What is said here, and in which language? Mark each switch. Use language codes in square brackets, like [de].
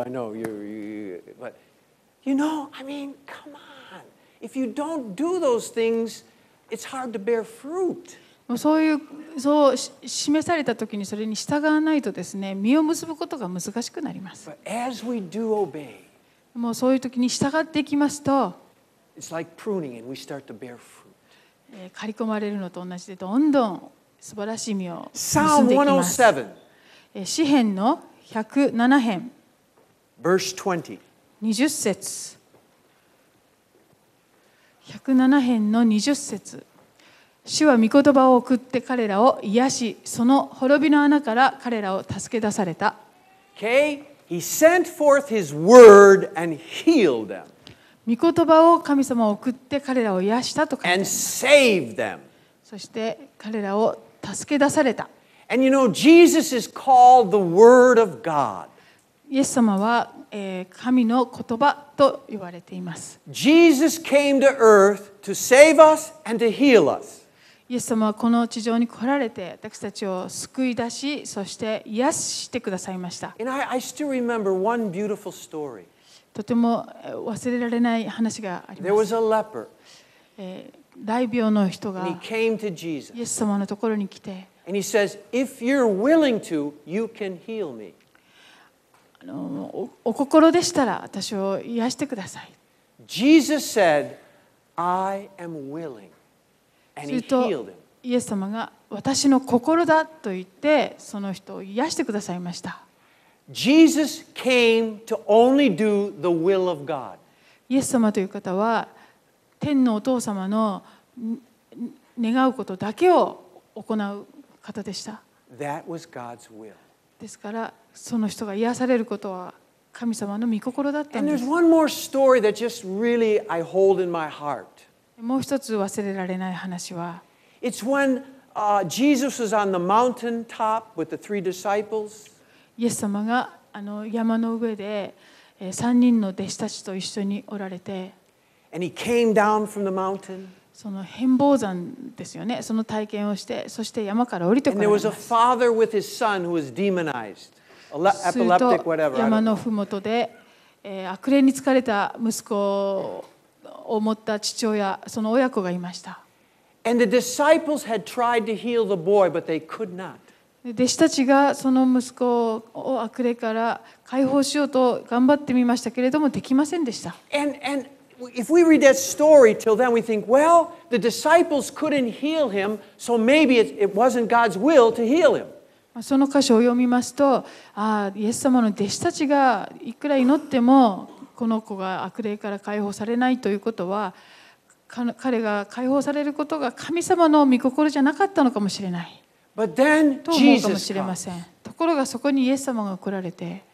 [en] I know but you know, I mean, come on. If you don't do those things, it's hard to bear fruit. [ja] そういう、そう示されたときにそれに従わないとですね、実を結ぶことが難しくなります。 [en] But as we do obey, [ja] もうそういうときに従っていきますと、 [en] it's like pruning and we start to bear fruit. [ja] 刈り込まれるのと同じでどんどん素晴らしい実を結んでいきます。 [en] Psalm 107. [ja] 詩編の107編。 [en] Verse [ja] 20. 20節。 107編の20節、主は御言葉を送って彼らを癒し、その滅びの穴から彼らを助け出された。 [en] Okay, he sent forth his word and healed them. [ja] 御言葉を神様を送って彼らを癒したと書いてあります。 [en] And saved them. [ja] そして彼らを助け出された。 [en] And you know, Jesus is called the Word of God. [ja] イエス様は神の言葉と言われています。 [en] Jesus came to earth to save us and to heal us. [ja] イエス様はこの地上に来られて私たちを救い出し、そして癒してくださいました。 [en] And I still remember one beautiful story. [ja] とても忘れられない話があります。 [en] There was a leper. [ja] 大病の人が、 [en] And he came to Jesus. [ja] イエス様のところに来て、 [en] And he says, "If you're willing to, you can heal me." [ja] お心でしたら私を癒してください。 [en] Jesus said, I am willing. And he healed him. [ja] イエス様が私の心だと言ってその人を癒してくださいました。 [en] Jesus came to only do the will of God. [ja] イエス様という方は天のお父様の願うことだけを行う方でした。 [en] That was God's will. [ja] ですからその人が癒されることは神様の御心だったんです。 [en] And there's one more story that just really I hold in my heart. [ja] もう一つ忘れられない話は [en] It's when Jesus was on the mountaintop with the three disciples. [ja] イエス様があの山の上で3人の弟子たちと一緒におられて [en] And he came down from the mountain. [ja] その変貌山ですよね。その体験をして、そして山から降りてこられます。 [en] And there was a father with his son who was demonized, epileptic, whatever. [ja] 山のふもとで、悪霊に疲れた息子を持った父親、その親子がいました。 [en] And the disciples had tried to heal the boy, but they could not. [ja] 弟子たちがその息子を悪霊から解放しようと頑張ってみましたけれども、できませんでした。 [en] And If we read that story till then, we think, well, the disciples couldn't heal him, so maybe it wasn't God's will to heal him. [ja] その箇所を読みますと、イエス様の弟子たちがいくら祈ってもこの子が悪霊から解放されないということは、彼が解放されることが神様の御心じゃなかったのかもしれない。 [en] But then [ja] と思うかもしれません。ところがそこにイエス様が来られて、